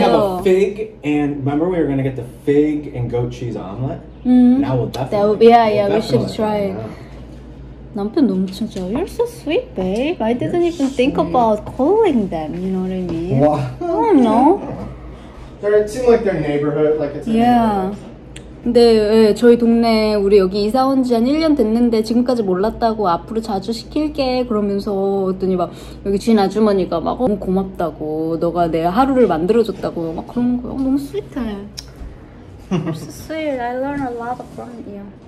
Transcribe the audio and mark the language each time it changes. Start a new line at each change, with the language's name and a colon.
English: have a fig and remember we were going to get the fig and goat cheese omelet? Now we'll definitely. Yeah, we should try it.
Korean: 남편 너무 진짜.
English: You're so sweet, babe. I didn't even think about calling them. You know what I mean? I don't know. They're, it seemed like their neighborhood. Like it's a neighborhood.
Korean: 근데 네, 저희 동네 우리 여기 이사 온 지 한 1년 됐는데 지금까지 몰랐다고 앞으로 자주 시킬게 그러면서 했더니 막 여기 지인 아주머니가 막 너무 고맙다고 너가 내 하루를 만들어줬다고 막 그런 거야. 너무 스윗해.
English: You're so sweet. I learn a lot from you.